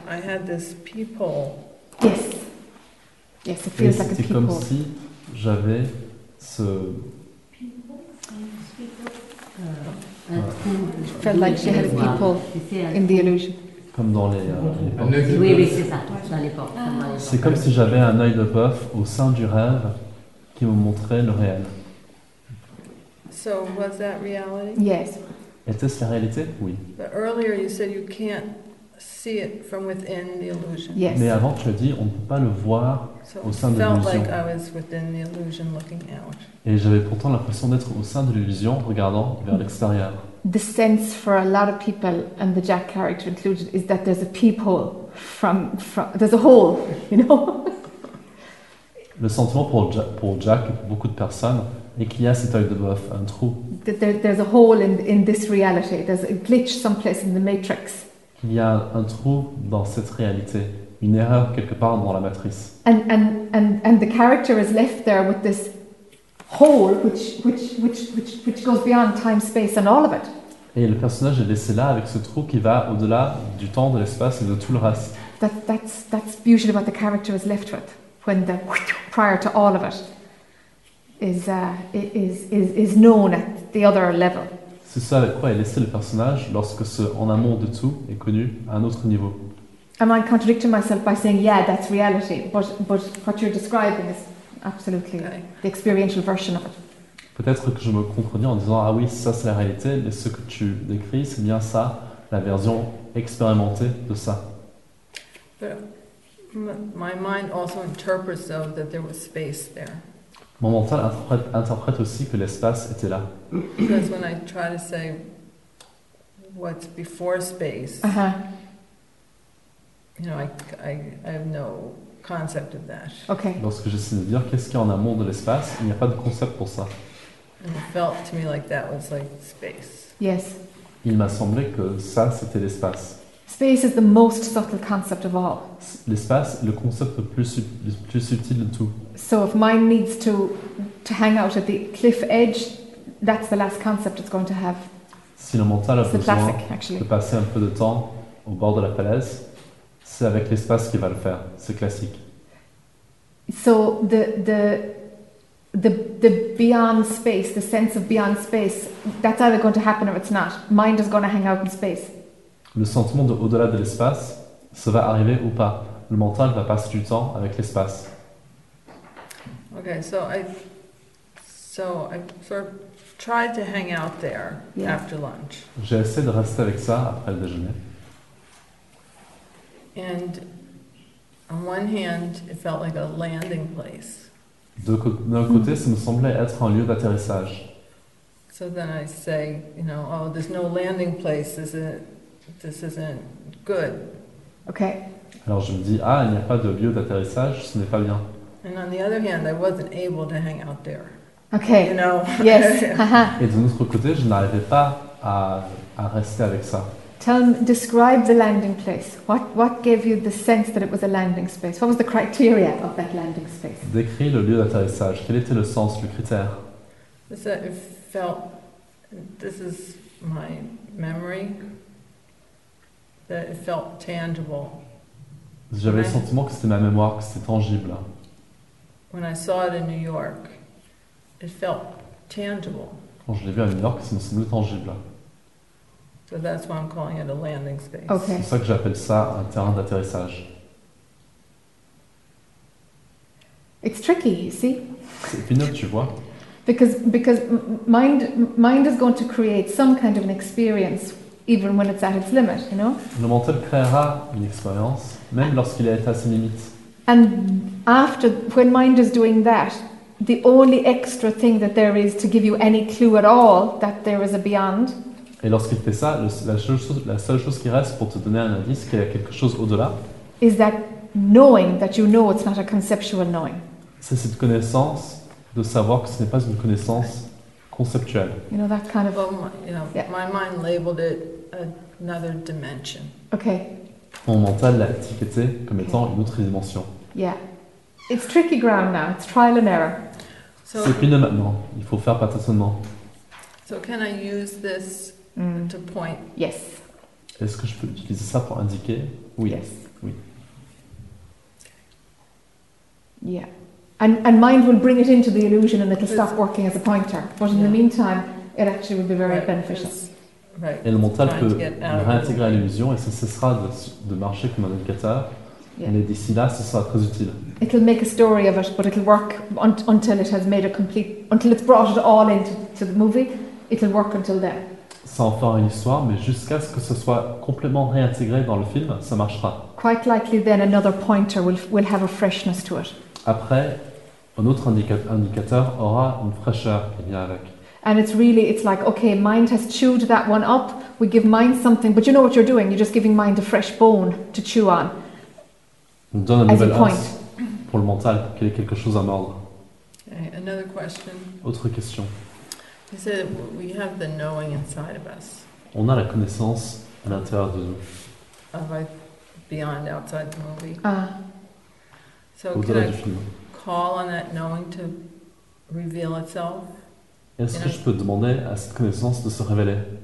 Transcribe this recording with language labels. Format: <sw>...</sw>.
<en>I had this peephole. Yes. Yes, it feels like a peephole.</en> <fr>C'était comme si j'avais ce</fr> <en>It felt like she had a peephole in the illusion.</en> <fr>Comme dans les portes. Oui, oui, c'est ça, dans les portes. C'est comme si j'avais un œil de bœuf au sein du rêve qui me montrait le réel.</fr> <en>So was that reality? Yes.</en> <fr>Était-ce la réalité? Oui.</fr> <en>But earlier you said you can't see it from within the illusion. Yes.</en> <fr>Mais avant tu as dit on ne peut pas le voir</fr> <en>so</en> <fr>au sein de l'illusion.</fr> <en>Felt like I was within the illusion looking out.</en> <fr>Et j'avais pourtant l'impression d'être au sein de l'illusion regardant vers l'extérieur.</fr> <en>The sense for a lot of people and the Jack character included is that there's a peephole from there's a hole, you know.</en> <fr>Le sentiment pour Jack et pour beaucoup de personnes et qu'il y a cet œil de bœuf, un trou.</fr> <en>There's a hole in this reality. There's a glitch someplace in the matrix.</en> <fr>Il y a un trou dans cette réalité, une erreur quelque part dans la matrice.</fr> <en>And the character is left there with this hole which goes beyond time, space and all of it.</en> <fr>Et le personnage est laissé là avec ce trou qui va au-delà du temps, de l'espace et de tout le reste.</fr> <en>That's usually what the character is left with when the prior to all of it. Is known at the other level.</en> <fr>C'est ça avec quoi est laissé le personnage lorsque ce en amont de tout est connu à un autre niveau.</fr> <en>Am I contradicting myself by saying yeah, that's reality, but what you're describing is absolutely the experiential version of it.</en> <fr>Peut-être que je me contredis en disant ah oui, ça c'est la réalité, mais ce que tu décris c'est bien ça, la version expérimentée de ça.</fr> <en>But My mind also interprets, though, that there was space there.</en> <fr>Mon mental interprète aussi que l'espace était là.</fr> <en>Because when I try to say what's before space, you know, I have no concept of that. Okay.</en> <fr>Lorsque j'essaie de dire qu'est-ce qu'il y a en amont de l'espace, il n'y a pas de concept pour ça.</fr> <en>And it felt to me like that was like space. Yes.</en> <fr>Il m'a semblé que ça, c'était l'espace.</fr> <en>Space is the most subtle concept of all.</en> <fr>L'espace, le concept le plus subtil de tout.</fr> <en>So if mine needs to hang out at the cliff edge, that's the last concept it's going to have.</en> <fr>Si le mental a besoin de passer un peu de temps au bord de la falaise, c'est avec l'espace qu'il va le faire. C'est classique.</fr> <en>So the beyond space, the sense of beyond space, that's either going to happen or it's not. Mind is going to hang out in space.</en> <fr>Le sentiment de au-delà de l'espace, ça va arriver ou pas. Le mental va passer du temps avec l'espace.</fr> <en>Okay, so I sort of tried to hang out there after lunch.</en> <fr>J'ai essayé de rester avec ça après le déjeuner.</fr> <en>And on one hand, it felt like a landing place.</en> <fr>D'un côté, ça me semblait être un lieu d'atterrissage.</fr> <en>So then I say, you know, oh, there's no landing place, is it? This isn't good. Okay.</en> <fr>Alors je me dis, ah, il n'y a pas de lieu d'atterrissage, ce n'est pas bien.</fr> <en>And on the other hand, I wasn't able to hang out there. Okay. You know. Yes.</en> <fr>Et d'un autre côté, je n'arrivais pas à rester avec ça.</fr> <en>Describe the landing place. What gave you the sense that it was a landing space? What was the criteria of that landing space?</en> <fr>Décris le lieu d'atterrissage. Quel était le sens, le critère?</fr> <en>So it felt. This is my memory. That it felt tangible.</en> <fr>J'avais le sentiment que c'était ma mémoire, que c'était tangible.</fr> <en>When I saw it in New York, it felt tangible.</en> <fr>Quand je l'ai vu à New York, ça me semblait tangible.</fr> <en>So that's why I'm calling it a landing space. Okay.</en> <fr>C'est ça que j'appelle ça un terrain d'atterrissage.</fr> <en>It's tricky, you see.</en> <fr>C'est pénible, tu vois.</fr> <en>Because mind is going to create some kind of an experience. Even when it's at its limit, you know?</en> <fr>Le mental créera une expérience, même lorsqu'il est à ses limites.</fr> <en>And after, when mind is doing that, the only extra thing that there is to give you any clue at all that there is a beyond.</en> <fr>Et lorsqu'il fait ça, la seule chose qui reste pour te donner un indice qu'il y a quelque chose au-delà.</fr> <en>Is that knowing that you know it's not a conceptual knowing.</en> <fr>C'est cette connaissance de savoir que ce n'est pas une connaissance.</fr> <en>Conceptual. You know that kind of. Well, my mind labeled it another dimension. Okay.</en> <fr>Mon mental l'a étiqueté comme étant une autre dimension.</fr> <en>Yeah, it's tricky ground now. It's trial and error.</en> <fr>So, c'est pénible maintenant. Il faut faire patiemment.</fr> <en>So can I use this to point? Yes.</en> <fr>Est-ce que je peux utiliser ça pour indiquer? Oui.</fr> <en>Yes.</en> <fr>Oui.</fr> <en>Yeah. And mind will bring it into the illusion and it'll stop working as a pointer. But in the meantime, it actually will be very beneficial. Right.</en> <fr>Et le mental peut réintégrer l'illusion et ça cessera de marcher comme un indicateur. Yeah. Mais d'ici là, ce sera très utile.</fr> <en>It'll make a story of it, but it'll work until it has made a complete... Until it's brought it all into the movie, it'll work until then.</en> <fr>Ça en fera une histoire, mais jusqu'à ce que ce soit complètement réintégré dans le film, ça marchera.</fr> <en>Quite likely then another pointer will have a freshness to it.</en> <fr>Après, un autre indicateur aura une fraîcheur qui vient avec.</fr> <en>And it's really, it's like, okay, mind has chewed that one up. We give mind something, but you know what you're doing. You're just giving mind a fresh bone to chew on.</en> <fr>On donne un nouvel os pour le mental, qu'il ait quelque chose à mordre.</fr> <en>Okay, another question.</en> <fr>Autre question.</fr> <en>You said we have the knowing inside of us.</en> <fr>On a la connaissance à l'intérieur de nous.</fr> <en>Of beyond outside the movie. So can I call on that knowing to reveal itself?</en> <fr>Est-ce que je peux demander à cette connaissance de se révéler?</fr>